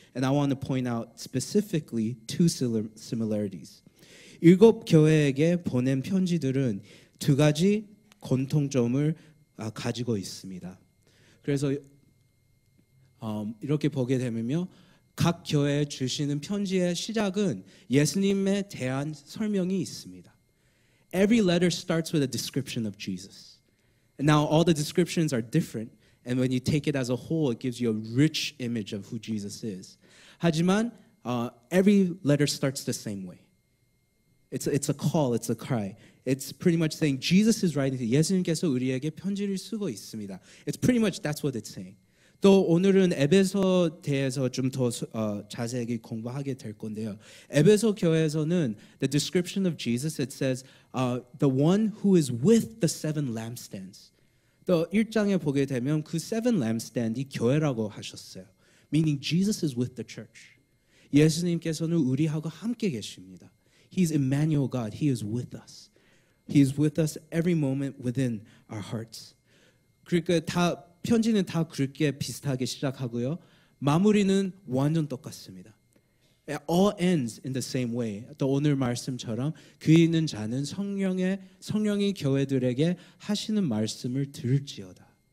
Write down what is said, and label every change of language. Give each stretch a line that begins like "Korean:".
English: And I want to point out specifically two similarities.
Korean: 일곱 교회에게 보낸 편지들은 두 가지 공통점을 가지고 있습니다. 그래서 이렇게 보게 되면요. 각 교회에 주시는 편지의 시작은 예수님에 대한 설명이 있습니다.
English: Every letter starts with a description of Jesus. And now all the descriptions are different. And when you take it as a whole, it gives you a rich image of who Jesus is.
Korean: 하지만
English: every letter starts the same way. It's a call, it's a cry. It's pretty much saying Jesus is writing to you.
Korean: 예수님께서 우리에게 편지를 쓰고 있습니다.
English: It's pretty much that's what it's saying.
Korean: 또 오늘은 에베소 대해서 좀 더 자세하게 공부하게 될 건데요. 에베소 교회에서는
English: the description of Jesus, it says the one who is with the seven lampstands.
Korean: 또 1장에 보게 되면 그 seven lampstand이 교회라고 하셨어요.
English: Meaning Jesus is with the church.
Korean: 예수님께서는 우리하고 함께 계십니다.
English: He's Emmanuel God. He is with us. He's with us every moment within our hearts.
Korean: 그러니까 다 편지는 다 그렇게 비슷하게 시작하고요. 마무리는 완전 똑같습니다.
English: It all ends in the same way.
Korean: 또 오늘 말씀처럼 귀 있는 자는 성령이 교회들에게 하시는 말씀을 들을지어다.